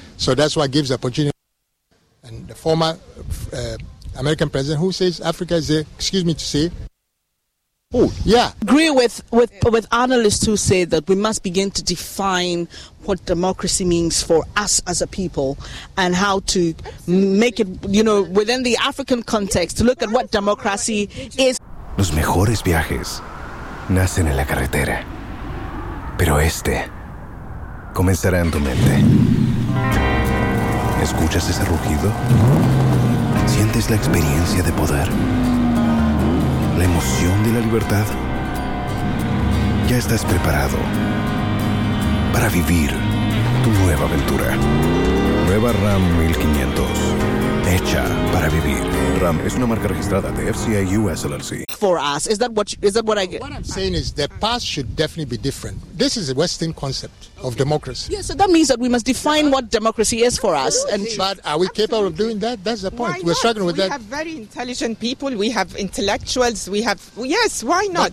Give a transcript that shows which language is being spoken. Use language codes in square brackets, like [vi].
[en] So that's why it gives the opportunity. And the former American president who says Africa is there, excuse me to say... Agree with analysts who say that we must begin to define what democracy means for us as a people and how to make it, you know, within the African context, to look at what democracy is. [es] Los mejores viajes nacen en la carretera, pero este comenzará en tu mente. ¿Escuchas ese rugido? ¿Sientes la experiencia de poder? La emoción de la libertad. Ya estás preparado para vivir tu nueva aventura. Nueva Ram 1500. Hecha para vivir. Ram es una marca registrada de FCA US LLC. [en] For us, is that what I get? What I'm saying is the past should definitely be different. This is a Western concept of democracy. Yes, so that means that we must define what democracy is for us. Capable of doing that? That's the point. We're struggling with that. We have very intelligent people. We have intellectuals. We have... Yes, why not?